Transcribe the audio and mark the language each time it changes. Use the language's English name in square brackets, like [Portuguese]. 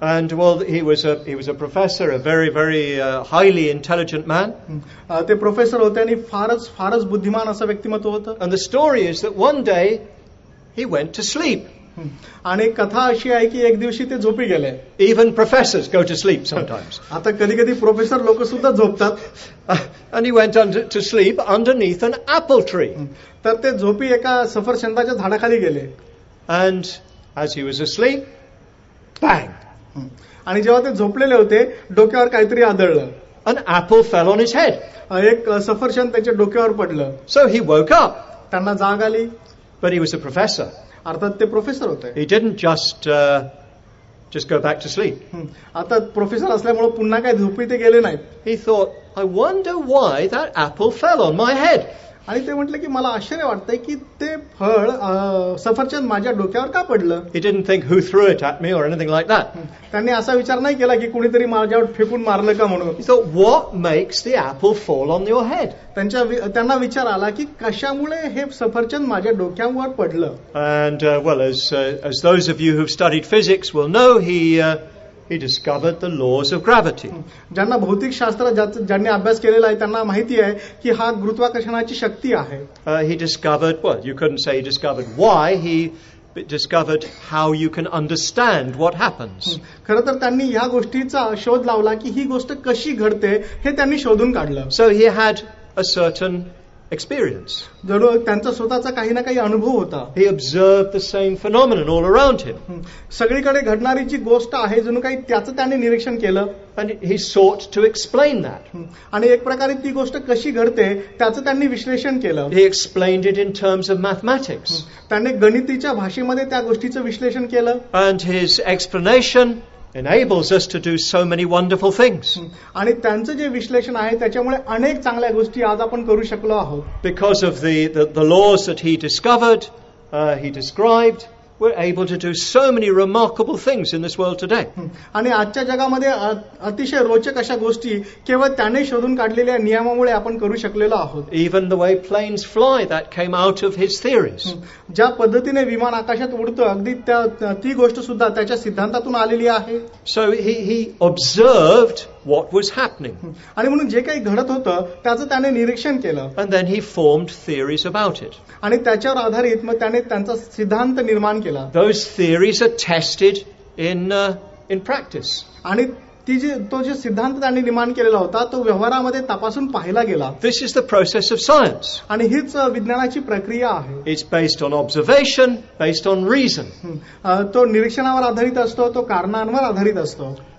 [English] And well he was a professor, a very very highly intelligent man. [Marathi] ते professor होते आणि फारच फारच बुद्धिमान असं व्यक्तिमत्व होतं. [English] And the story is that one day he went to sleep. [Marathi] आणि कथा अशी आहे की एक दिवशी ते झोपी गेले. [English] Even professors go to sleep sometimes. [Marathi] आता कधी कधी प्रोफेसर लोक सुद्धा झोपतात. [English] And he went on to sleep underneath an apple tree. [Marathi] तर ते झोपी एका सफरचंदाच्या झाडाखाली गेले. [English] And as he was asleep, bang. [Marathi] आणि जेव्हा ते झोपलेले होते डोक्यावर काहीतरी आदळलं. [English] An apple fell on his head. [Marathi] एक सफरचंद त्याच्या डोक्यावर पडलं. [English] So he woke up. [Marathi] त्यांना जाग आली. [English] But he was a professor. [Marathi] अर्थात ते प्रोफेसर होते. [English] He didn't just go back to sleep. [Marathi] आता प्रोफेसर असल्यामुळे पुन्हा काय झोपी ते गेले नाहीत. [English] He thought, I wonder why that apple fell on my head. [Marathi] आणि ते म्हटलं की मला आश्चर्य वाटतंय की ते फळ सफरचंद माझ्या डोक्यावर का पडलं. [English] He didn't think who threw it at me or anything like that. [Marathi] त्यांनी असा विचार नाही केला की कुणीतरी माझ्यावर फेकून मारलं का म्हणून. [English] So what makes the apple fall on your head? [Marathi] त्यांना विचार आला की कशामुळे हे सफरचंद माझ्या डोक्यावर पडलं. [English] And well, as those of you who've studied physics will know, he discovered the laws of gravity. [Marathi] ज्यांना भौतिक शास्त्र ज्यांनी अभ्यास केलेला आहे त्यांना माहिती आहे की हा गुरुत्वाकर्षणाची शक्ती आहे. [English] He discovered, well, you couldn't say he discovered why, he discovered how you can understand what happens. [Marathi] खर तर त्यांनी या गोष्टीचा शोध लावला की ही गोष्ट कशी घडते हे त्यांनी शोधून काढलं. [English] So he had a certain experience. [Marathi] जणू त्यांचा स्वतःचा काही ना काही अनुभव होता. [English] He observed the same phenomenon all around him. [Marathi] सगळीकडे घडणारी जी गोष्ट आहे जणू काही त्याचं त्याने निरीक्षण केलं. [English] And he sought to explain that. [Marathi] आणि एक प्रकारे ती गोष्ट कशी घडते त्याचं त्यांनी विश्लेषण केलं. [English] He explained it in terms of mathematics. [Marathi] त्याने गणितीच्या भाषेमध्ये त्या गोष्टीचं विश्लेषण केलं. [English] And his explanation enables us to do so many wonderful things. [Marathi] आणि त्यांचं जे विश्लेषण आहे त्याच्यामुळे अनेक चांगल्या गोष्टी आज आपण करू शकलो आहोत. [English] Because of the laws that he discovered, he described, we're able to do so many remarkable things in this world today. [Marathi] आणि आजच्या जगामध्ये अतिशय रोचक अशा गोष्टी केवळ त्याने शोधून काढलेल्या नियमामुळे आपण करू शकलेलो आहोत. [English] Even the way planes fly, that came out of his theories. [Marathi] ज्या पद्धतीने विमान आकाशात उडतं अगदी ती गोष्ट सुद्धा त्याच्या सिद्धांतातून आलेली आहे. [English] So he observed what was happening. [Marathi] आणि म्हणून जे काही घडत होतं त्याचं त्याने निरीक्षण केलं. [English] And then he formed theories about it. [Marathi] आणि त्याच्यावर आधारित मग त्याने त्यांचा सिद्धांत निर्माण केला. [English] Those theories are tested in practice. [Marathi] आणि तो जे सिद्धांत त्यांनी निर्माण केलेला होता तो व्यवहारामध्ये तपासून पाहिला गेला. [English] This is the process of science. [Marathi] आणि हीच विज्ञानाची प्रक्रिया आहे. [English] It's based on observation, based on reason. [Marathi] तो निरीक्षणावर आधारित असतो, तो कारणांवर आधारित असतो.